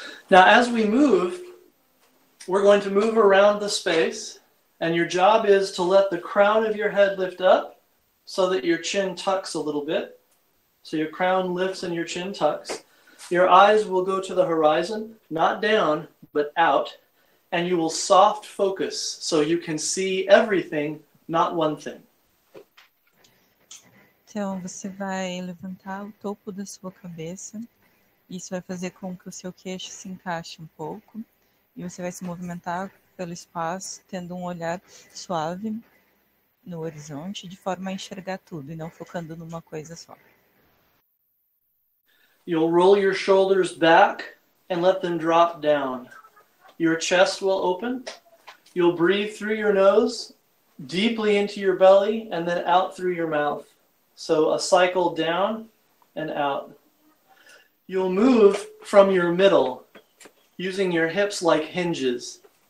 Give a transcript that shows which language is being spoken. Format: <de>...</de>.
<en>Now as we move, we're going to move around the space, and your job is to let the crown of your head lift up so that your chin tucks a little bit. So your crown lifts and your chin tucks. Your eyes will go to the horizon, not down, but out, and you will soft focus so you can see everything, not one thing.</en> <pt>Então, você vai levantar o topo da sua cabeça. Isso vai fazer com que o seu queixo se encaixe um pouco. E você vai se movimentar pelo espaço, tendo um olhar suave no horizonte, de forma a enxergar tudo e não focando numa coisa só.</pt> <en>You'll roll your shoulders back and let them drop down. Your chest will open. You'll breathe through your nose, deeply into your belly, and then out through your mouth. So a cycle down and out. You'll move from your middle, using your hips like hinges.</en>